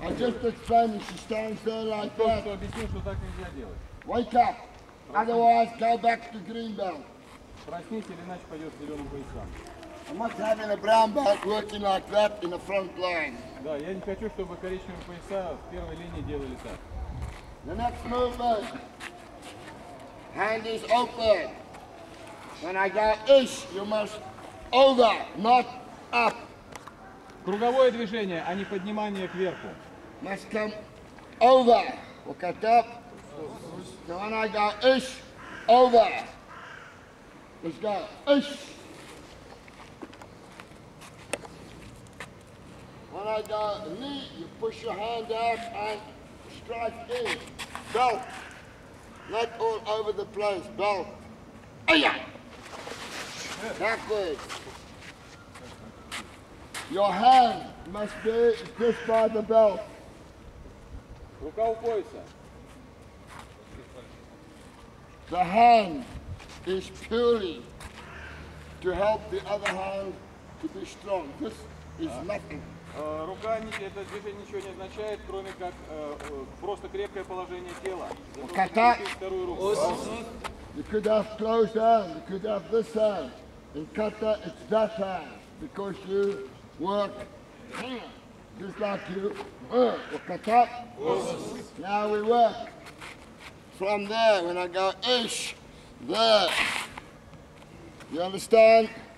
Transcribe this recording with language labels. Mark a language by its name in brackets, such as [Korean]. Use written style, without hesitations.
[English] I just explained she stands there like that. [Russian] Что объяснил, что так нельзя делать. [English] Wake up. Otherwise, go back to green belt. [Russian] Проснись, или иначе пойдешь в зеленый поясам. [English] I'm not having a brown belt working like that in the front line. [Russian] Да, я не хочу, чтобы коричневые пояса в первой линии делали так. [English] The next movement. Hand is open. When I go ish, you must over, not up. [Russian] Круговое движение, а не поднимание кверху. [English] Must come over. Look at up. So when I go ish, over. Let's go ish. When I go knee, you push your hand out and strike in. Belt. Not all over the place. Belt. Aya! Backwards. Your hand must be just by the belt. [Russian] Рука у пояса. [English] The hand is purely to help the other hand to be strong. This is nothing. [Russian] Рука, это движение ничего не означает, кроме как просто крепкое положение тела. [English] You could have closed hand, you could have this hand. In kata, it's that hand, because you work here, just like you work. Kata. Now we work. From there, when I go ish, there. You understand?